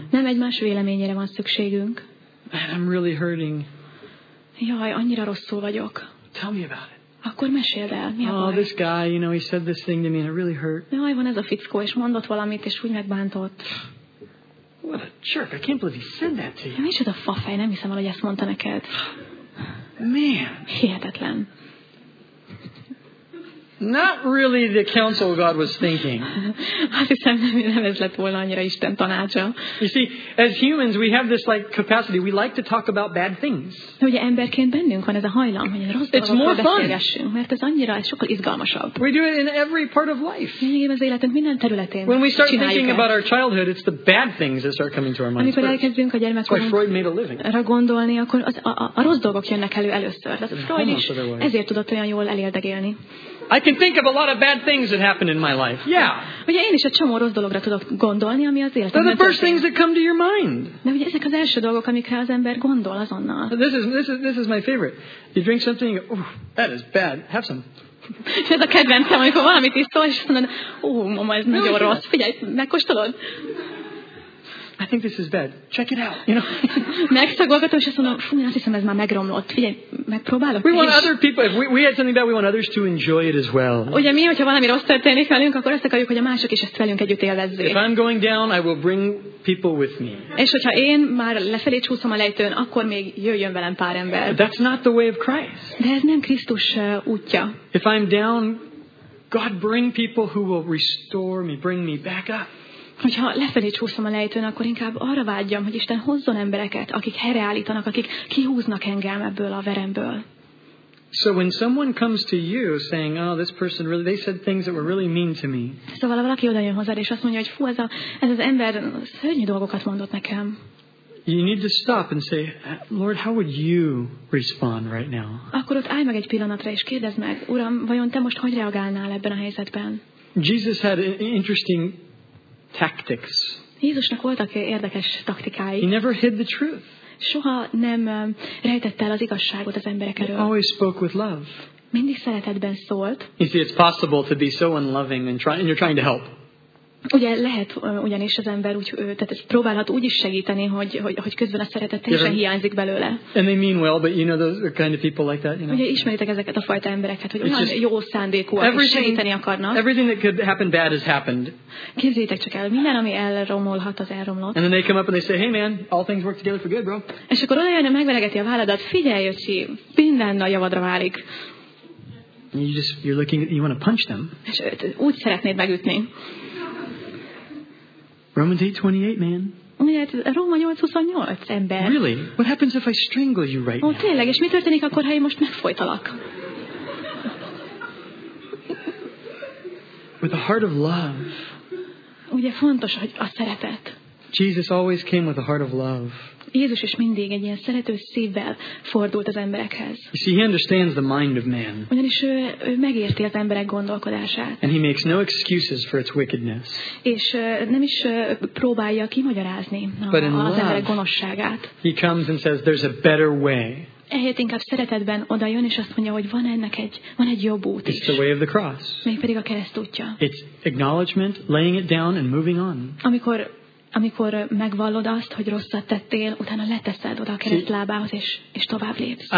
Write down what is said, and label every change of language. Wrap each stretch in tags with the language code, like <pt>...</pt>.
<hu>Nem egymás véleményére van szükségünk.</hu> <en>Man, I'm really hurting.</en> <hu>Jaj, annyira rosszul vagyok.</hu> <en>Tell me about it.</en> <hu>Akkor meséld el, mi a baj?</hu> <en>Oh, this guy, you know, he said this thing to me and it really hurt.</en> <hu>Jaj, van ez a fickó, és mondott valamit, és úgy megbántott.</hu> <en>What a jerk! I can't believe he said that to you.</en> <hu>Micsoda fafej, nem hiszem, hogy ezt mondta neked. Hihetetlen.</hu> <en>Not really the counsel God was thinking.</en> <hu>Azt hiszem, nem ez lett volna annyira Isten tanácsa.</hu> <en>You see, as humans, we have this like capacity. We like to talk about bad things.</en> <hu>Ugye emberként bennünk van ez a hajlam, hogy rossz dolgokról beszélgessünk, mert ez annyira, ez sokkal izgalmasabb.</hu> <en>We do it in every part of life.</en> <hu>Igen, az életünk minden területén.</hu> <en>When we start thinking about our childhood, it's the bad things that start coming to our minds.</en> <hu>Amikor elkezdünk a gyermekkorunkra gondolni, akkor a rossz dolgok jönnek elő először. Freud is ezért tudott olyan jól eléldegélni.</hu> <en>I can think of a lot of bad things that happened in my life. Yeah.</en> <hu>Ugye én is egy csomó rossz dologra tudok gondolni, ami az életemben.</hu> <en>They're the first things that come to your mind.</en> <hu>De ugye ezek az első dolgok, amikre az ember gondol azonnal.</hu> <en>This is my favorite. You drink something, you go, oh, that is bad. Have some.</en> <hu>Ez a kedvencem, amikor valamit iszol, és azt mondod, oh, mama, ez nagyon rossz. Figyelj, megkóstolod.</hu> <en>I think this is bad. Check it out, you know.</en> <hu>Megszagolgatom, és azt mondom, fú, azt hiszem, ez már megromlott. Figyelj, megpróbálok.</hu> <en>We want other people, if we had something bad, we want others to enjoy it as well.</en> <hu>Ugye mi, hogyha valami rossz történik velünk, akkor azt akarjuk, hogy a mások is ezt velünk együtt élvezzék.</hu> <en>If I'm going down, I will bring people with me.</en> <hu>És hogyha én már lefelé csúszom a lejtőn, akkor még jöjjön velem pár ember.</hu> <en>That's not the way of Christ.</en> <hu>De ez nem Krisztus útja.</hu> <en>If I'm down, God bring people who will restore me, bring me back up.</en> <hu>Hogyha lefelé csúszom a lejtőn, akkor inkább arra vágyjam, hogy Isten hozzon embereket, akik helyreállítanak, akik kihúznak engem ebből a veremből.</hu> <en>So when someone comes to you saying, oh, this person really, they said things that were really mean to me.</en> <hu>Szóval valaki odajön hozzád, és azt mondja, hogy fú, ez az ember szörnyű dolgokat mondott nekem.</hu> <en>You need to stop and say, Lord, how would you respond right now?</en> <hu>Akkor ott állj meg egy pillanatra, és kérdezd meg, Uram, vajon te most hogy reagálnál ebben a helyzetben?</hu> <en>Jesus had an interesting tactics.</en> <hu>Jézusnak voltak érdekes taktikái.</hu> <en>He never hid the truth.</en> <hu>Soha nem rejtette el az igazságot az emberek elől.</hu> <en>He always spoke with love.</en> <hu>Mindig szeretetben szólt.</hu> <en>You see, it's possible to be so unloving and you're trying to help.</en> <hu>Ugye lehet ugyanis az ember úgy, tehát ez próbálhat úgy is segíteni, hogy közben a szeretet teljesen hiányzik belőle.</hu> <en>And they mean well, but you know those kind of people like that, you know.</en> <hu>Ugye ismeritek ezeket a fajta embereket, hogy olyan jó szándékúak, és segíteni akarnak.</hu> <en>Everything that could happen bad has happened.</en> <hu>Képzeljétek csak el, minden, ami elromolhat, az elromlott.</hu> <en>And then they come up and they say, hey man, all things work together for good, bro.</en> <hu>És akkor olyan megveregeti a válladat, figyelj, Jössi, minden a javadra válik.</hu> <en>You're looking at, you want to punch them.</en> <hu>És úgy szeretnéd megütni.</hu> <en>Romans 8:28, man.</en> <hu>Miért Róma 8:28, ember?</hu> <en>Really? What happens if I strangle you right now?</en> <hu>Ó, tényleg, és mi történik akkor, ha én most megfojtalak?</hu> <en>With a heart of love.</en> <hu>Ugye fontos, hogy a szeretet.</hu> <en>Jesus always came with a heart of love.</en> <hu>Jézus is mindig egy ilyen szerető szívvel fordult az emberekhez.</hu> <en>You see, he understands the mind of man.</en> <hu>Ugyanis ő megérti az emberek gondolkodását.</hu> <en>And he makes no excuses for its wickedness.</en> <hu>És nem is próbálja kimagyarázni az emberek gonoszságát.</hu> <en>He comes and says, there's a better way.</en> <hu>Ehelyett inkább szeretetben odajön, és azt mondja, hogy van ennek egy jobb út is.</hu> <en>It's the way of the cross.</en> <hu>Mégpedig a kereszt útja.</hu> <en>It's acknowledgement, laying it down and moving on.</en> <hu>Amikor megvallod azt, hogy rosszat tettél, utána leteszed oda a kereszt lábához, és tovább lépsz.</hu>